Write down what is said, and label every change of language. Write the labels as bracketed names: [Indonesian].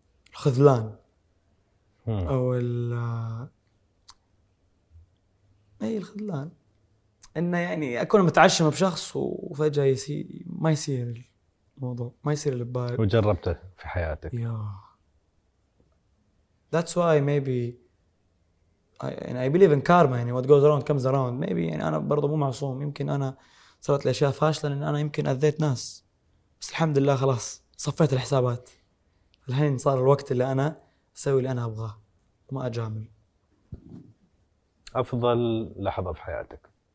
[Arabic] الخذلان او اي الخذلان انه يعني اكون متعشم بشخص وفجاه ما يصير الموضوع، ما يصير البال. وجربته في حياتك؟ [English] That's why maybe I believe in karma. يعني what goes around comes around. [Arabic] maybe يعني أنا برضو مو معصوم، يمكن أنا صارت لي أشياء فاشلة لأن أنا يمكن أذيت ناس، بس الحمد لله خلاص صفيت الحسابات. الحين صار الوقت اللي أنا أسوي اللي أنا أبغاه وما أجامل. أفضل لحظة في حياتك